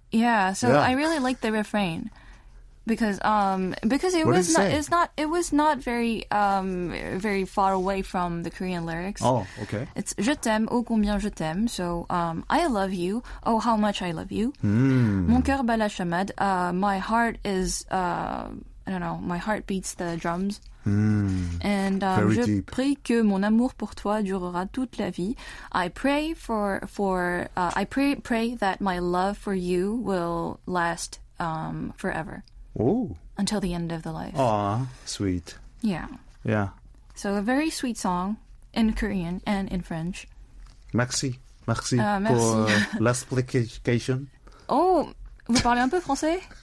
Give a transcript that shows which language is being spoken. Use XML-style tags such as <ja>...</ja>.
<en>Yeah, so yeah. I really liked the refrain. Because it was not very far away from the Korean lyrics. Oh, okay. It's</en> <fr>je t'aime, oh combien je t'aime.</fr> <en>So I love you. Oh, how much I love you.</en> <fr>Mon cœur bat la chamade.</fr> <en>My heart is my heart beats the drums. And very deep.</en> <fr>Je prie que mon amour pour toi durera toute la vie.</fr> <en>I pray that my love for you will last forever. Oh. Until the end of the life. Aw, sweet. Yeah. Yeah. So a very sweet song in Korean and in French.</en> <fr>Merci. Pour l'explication. Oh, vous parlez un peu français?</fr>